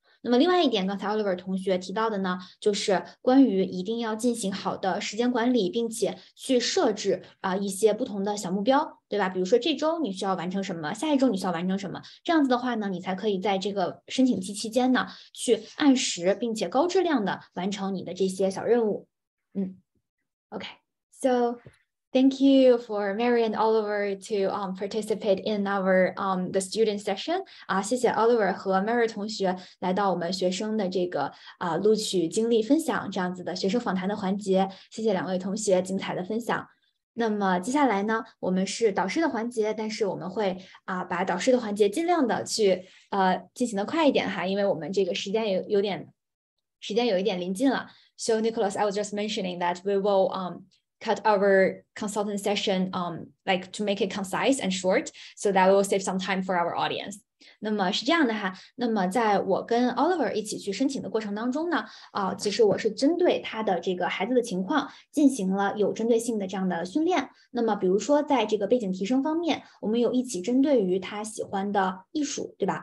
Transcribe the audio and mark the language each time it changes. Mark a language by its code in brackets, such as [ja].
[zh] 那么另外一点，刚才 Oliver 同学提到的呢，就是关于一定要进行好的时间管理，并且去设置一些不同的小目标，对吧？比如说这周你需要完成什么，下一周你需要完成什么，这样子的话呢，你才可以在这个申请期期间呢去按时并且高质量的完成你的这些小任务。嗯 ，OK， so。 [en] Thank you for Mary and Oliver to participate in our the student session. [zh] 谢谢 Oliver 和 Mary 同学来到我们学生的这个录取经历分享这样子的学生访谈的环节。谢谢两位同学精彩的分享。那么接下来呢，我们是导师的环节，但是我们会把导师的环节尽量的去进行的快一点哈，因为我们这个时间有一点临近了。 [en] So Nicholas, I was just mentioning that we will cut our consultant session like to make it concise and short so that we will save some time for our audience. [zh] 那么是这样的哈，那么在我跟 Oliver 一起去申请的过程当中呢，其实我是针对他的这个孩子的情况进行了有针对性的这样的训练。那么比如说在这个背景提升方面，我们有一起针对于他喜欢的艺术，对吧？